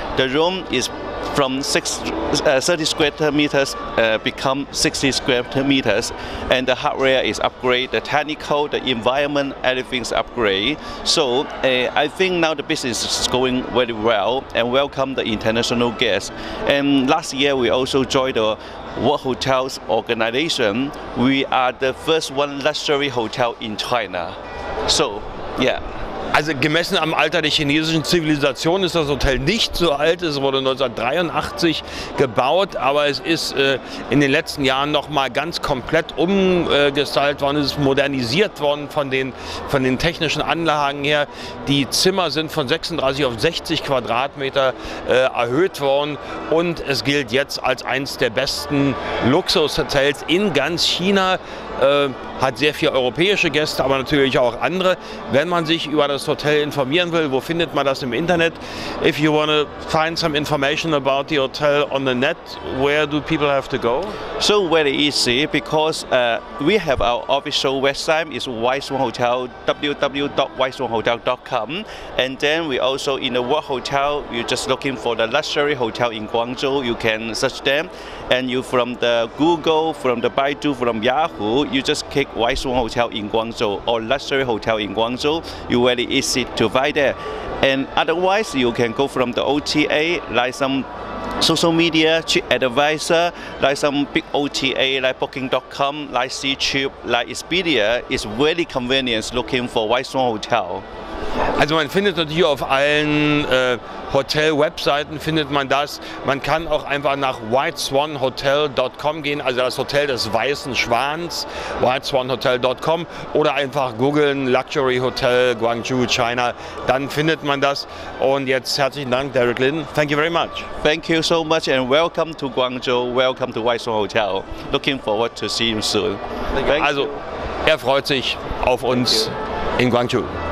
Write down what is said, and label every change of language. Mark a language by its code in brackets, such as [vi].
[en] The room is from 30 square meters become 60 square meters, and the hardware is upgrade, the technical, the environment, everything's upgrade. So I think now the business is going very well and welcome the international guests. And last year, we also joined the World Hotels Organization. We are the first one luxury hotel in China. So, yeah. [de] Also gemessen am Alter der chinesischen Zivilisation ist das Hotel nicht so alt. Es wurde 1983 gebaut, aber es ist in den letzten Jahren noch mal ganz komplett umgestaltet worden. Es ist modernisiert worden von den technischen Anlagen her. Die Zimmer sind von 36 auf 60 Quadratmeter erhöht worden und es gilt jetzt als eines der besten Luxushotels in ganz China. Hat sehr viele europäische Gäste, aber natürlich auch andere. Wenn man sich über das Hotel informieren will, wo findet man das im Internet? [en] If you want to find some information about the hotel on the net, where do people have to go? So very easy, because we have our official website, it's White Swan Hotel, www.whiteswanhotel.com. And then we also in the World Hotel, you're just looking for the luxury hotel in Guangzhou, you can search them. And you from the Google, from the Baidu, from Yahoo, you just click White Swan Hotel in Guangzhou or luxury hotel in Guangzhou, you very easy to find there. And otherwise, you can go from the OTA, like some social media, cheap advisor, like some big OTA, like Booking.com, like Ctrip, like Expedia. It's very convenient looking for White Swan Hotel. [de] Also man findet natürlich auf allen Hotel-Webseiten findet man das. Man kann auch einfach nach whiteswanhotel.com gehen, also das Hotel des weißen Schwans, whiteswanhotel.com, oder einfach googeln Luxury Hotel Guangzhou, China, dann findet man das. Und jetzt herzlichen Dank, Derek Lin. [en] Thank you very much. Thank you so much and welcome to Guangzhou, welcome to White Swan Hotel. Looking forward to see you soon. Thank you. [de] Also, er freut sich auf uns in Guangzhou.